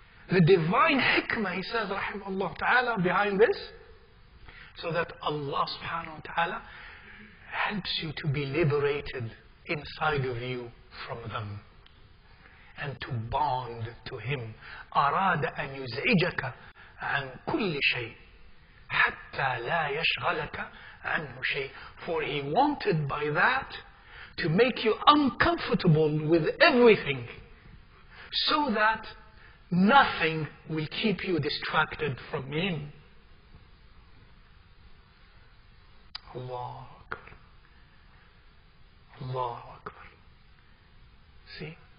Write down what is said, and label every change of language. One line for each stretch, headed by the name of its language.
English: The divine hikmah, he says, rahimahullah ta'ala, behind this, so that Allah subhanahu wa ta'ala helps you to be liberated inside of you from them and to bond to Him.
Arabic: أراد أن يزعجك عن كل شيء حتى لا يشغلك عنه شيء.
English: For He wanted by that to make you uncomfortable with everything so that nothing will keep you distracted from Him. Allah Akbar. Allah Akbar. See?